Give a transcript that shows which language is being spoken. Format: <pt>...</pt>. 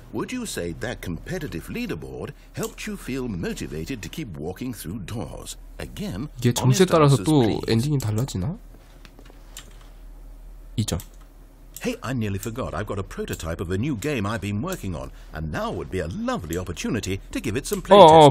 <en>Would you say that competitive leaderboard helped you feel motivated to keep walking through doors again?</en> <ko>이게 점수에 따라서 또 엔딩이 달라지나? 2점.</ko> <en>Hey, I nearly forgot. I've got a prototype of a new game I've been working on, and now would be a lovely opportunity to give it some playtest.</en>